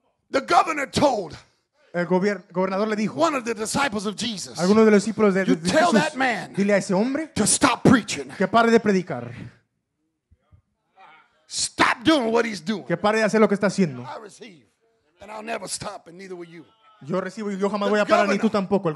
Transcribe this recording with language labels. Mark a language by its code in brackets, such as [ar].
[en] The governor told. [es] El gobernador le dijo. [en] One of the disciples of Jesus. [es] Alguno de los discípulos de Jesús. [en] You tell that man. [es] Dile a ese hombre. [en] To stop preaching. [es] Que pare de predicar. [en] Stop doing what he's doing. [es] Que pare de hacer lo que está haciendo. [en] I receive, and I'll never stop, and neither will you. [es] Yo recibo y yo jamás voy a parar ni tú tampoco.